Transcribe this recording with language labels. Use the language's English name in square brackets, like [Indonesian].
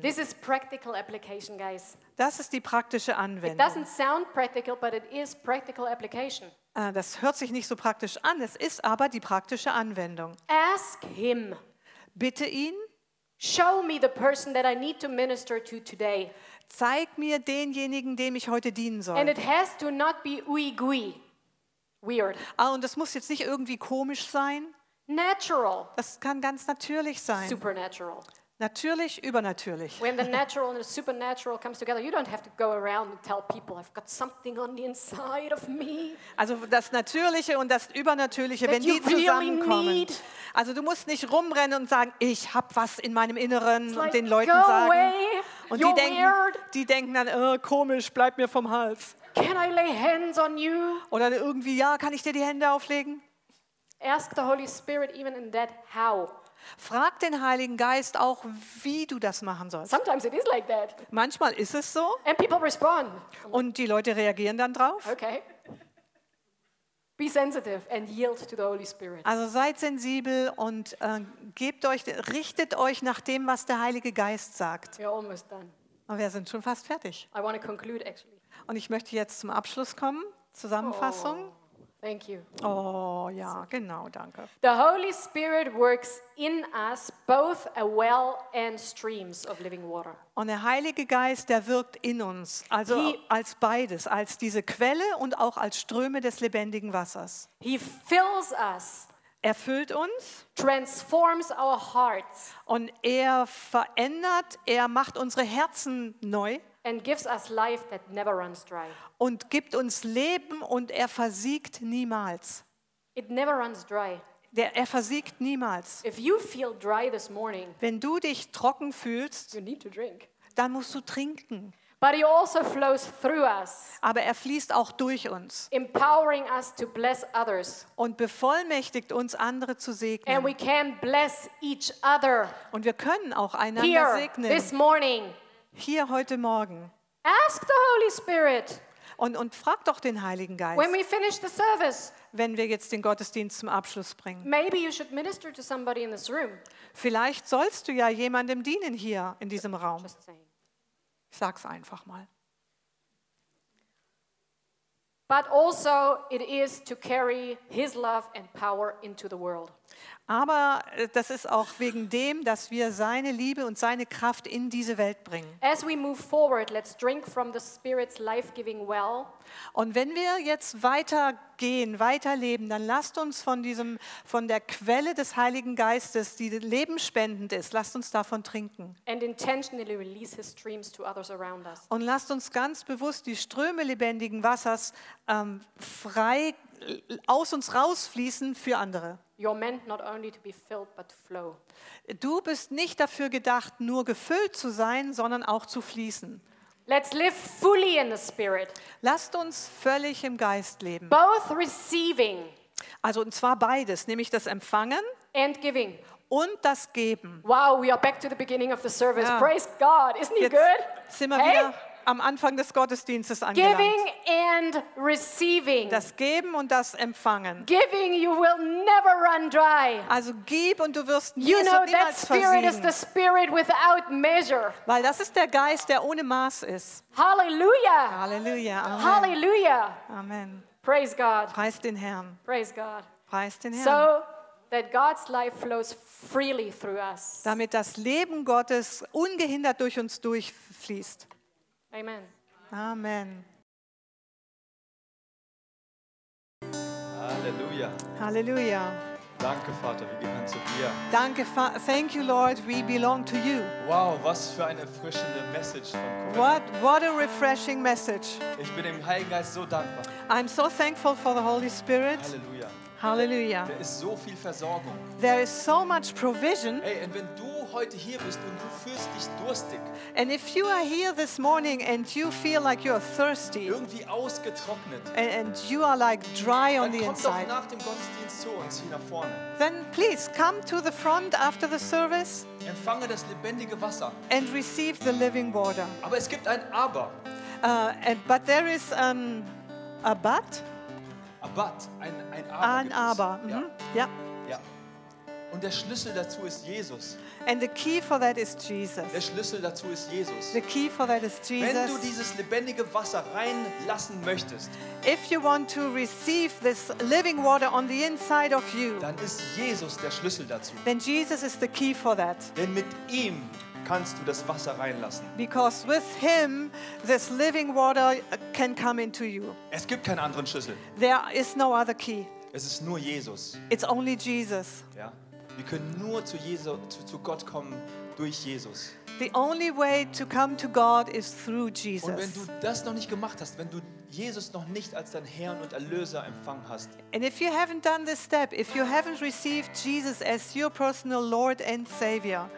[English] This is practical application, guys. [German] Das ist die praktische Anwendung. [English] It doesn't sound practical, but it is practical application. [German] Das hört sich nicht so praktisch an, es ist aber die praktische Anwendung. [English] Ask him. [German] Bitte ihn. [English] Show me the person that I need to minister to today. [German] Zeig mir denjenigen, dem ich heute dienen soll. [English] And it has to not be ui-gui. Weird. [German] Ah, und das muss jetzt nicht irgendwie komisch sein. [English] Natural. [German] Das kann ganz natürlich sein. [English] Supernatural. [German] Natürlich, übernatürlich. [English] When the natural and the supernatural comes together, you don't have to go around and tell people I've got something on the inside of me. [German] Also das Natürliche und das Übernatürliche, wenn die zusammenkommen. Really, also du musst nicht rumrennen und sagen, ich habe was in meinem Inneren, like, und den Leuten sagen. [English] Away. [German] Und [English] you're [German] die denken dann, oh, komisch, bleib mir vom Hals. [English] Can I lay hands on you? [German] Oder irgendwie, ja, kann ich dir die Hände auflegen? [English] Ask the Holy Spirit even in that how. [German] Frag den Heiligen Geist auch, wie du das machen sollst. [English] Sometimes it is like that. [German] Manchmal ist es so. [English] And people respond. [German] Und die Leute reagieren dann drauf. [English] Okay. Be sensitive and yield to the Holy Spirit. [German] Also seid sensibel und richtet euch nach dem, was der Heilige Geist sagt. [English] We're almost done. [German] Aber wir sind schon fast fertig. [English] I want to conclude, actually. [German] Und ich möchte jetzt zum Abschluss kommen, Zusammenfassung. [English] Oh, thank you. [German] Oh ja, genau, danke. [English] The Holy Spirit works in us both a well and streams of living water. [German] Und der Heilige Geist, der wirkt in uns, also als beides, als diese Quelle und auch als Ströme des lebendigen Wassers. [English] He fills us. [German] Er füllt uns. [English] Transforms our hearts. [German] Und er verändert, er macht unsere Herzen neu. [English] And gives us life that never runs dry. [German] Und gibt uns Leben und er versiegt niemals. [English] It never runs dry. [German] Er versiegt niemals. [English] If you feel dry this morning, [German] wenn du dich trocken fühlst, [English] you need to drink. [German] Dann musst du trinken. [English] But he also flows through us. [German] Aber er fließt auch durch uns. [English] Empowering us to bless others. [German] Und bevollmächtigt uns, andere zu segnen. [English] And we can bless each other. [German] Und wir können auch einander [English] here, [German] segnen. [English] This morning. [German] Hier heute Morgen. [English] Ask the Holy Spirit. [German] Und frag doch den Heiligen Geist. [English] When we finish the service. [German] Wenn wir jetzt den Gottesdienst zum Abschluss bringen. [English] Maybe you should minister to somebody in this room. [German] Vielleicht sollst du ja jemandem dienen hier in diesem Raum. [English] Just saying. [German] Ich sag's einfach mal. [English] But also it is to carry his love and power into the world. [German] Aber das ist auch wegen dem, dass wir seine Liebe und seine Kraft in diese Welt bringen. [English] As we move forward, let's drink from the Spirit's life-giving well. [German] Und wenn wir jetzt weitergehen, weiterleben, dann lasst uns von der Quelle des Heiligen Geistes, die lebensspendend ist, lasst uns davon trinken. [English] And intentionally release his streams to others around us. [German] Und lasst uns ganz bewusst die Ströme lebendigen Wassers frei aus uns rausfließen für andere. [English] You're meant not only to be filled, but to flow. [German] Du bist nicht dafür gedacht, nur gefüllt zu sein, sondern auch zu fließen. [English] Let's live fully in the Spirit. [German] Lasst uns völlig im Geist leben. [English] Both receiving. [German] Also und zwar beides, nämlich das Empfangen. [English] And giving. [German] Und das Geben. [English] Wow, we are back to the beginning of the service. [German] Ja. [English] Praise God, isn't he good? [German] Sind wir wieder am Anfang des Gottesdienstes angelangt. [English] Giving and receiving. [German] Das Geben und das Empfangen. [English] Giving, you will never run dry. [German] Also gib und du wirst nie, [English] you know, [German] niemals [English] that spirit [German] versiegen. [English] Is the spirit without measure. [German] Weil das ist der Geist, der ohne Maß ist. Halleluja. Halleluja. Amen. Halleluja. Amen. [English] Praise God. [German] Preist den Herrn. [English] Praise God. [German] Preist den Herrn. [English] So that God's life flows freely through us. [German] Damit das Leben Gottes ungehindert durch uns durchfließt. Amen. Amen. Halleluja. Halleluja. Danke, Vater, wir gehören zu dir. Danke, [English] thank you, Lord, we belong to you. [German] Wow, was für eine erfrischende Message von Corinne. [English] What a refreshing message. [German] Ich bin dem Heiligen Geist so dankbar. [English] I'm so thankful for the Holy Spirit. Halleluja. Halleluja. [German] Da ist so viel Versorgung. [English] There is so much provision. [German] Hey, und wenn du heute hier bist und du fühlst dich durstig. [English] And if you are here this morning and you feel like you are thirsty. [German] Irgendwie ausgetrocknet. [English] And you are like dry on the inside. [German] Dann komm doch nach dem Gottesdienst zu uns hier nach vorne. [English] Then please come to the front after the service. [German] Empfange das lebendige Wasser. [English] And receive the living water. [German] Aber es gibt ein Aber. [English] But there is a but. But, [German] ein Aber. Ja. Ja. Und der Schlüssel dazu ist Jesus. [English] And the key for that is Jesus. [German] Der Schlüssel dazu ist Jesus. [English] The key for that is Jesus. [German] Wenn du dieses lebendige Wasser reinlassen möchtest, [English] if you want to receive this living water on the inside of you, [German] dann ist Jesus der Schlüssel dazu. [English] Then Jesus is the key for that. [German] Denn mit ihm kannst du das Wasser reinlassen. [English] Because with him, this living water can come into you. [German] Es gibt keinen anderen Schlüssel. [English] There is no other key. [German] Es ist nur Jesus. [English] It's only Jesus. [German] Ja. Wir können nur zu Jesus, zu Gott kommen durch Jesus. [English] The only way to come to God is through Jesus. [German] Und wenn du das noch nicht gemacht hast, wenn du Jesus noch nicht als dein Herrn und Erlöser empfangen hast. [English] And if you haven't done this step, if you haven't received Jesus as your personal Lord and Savior,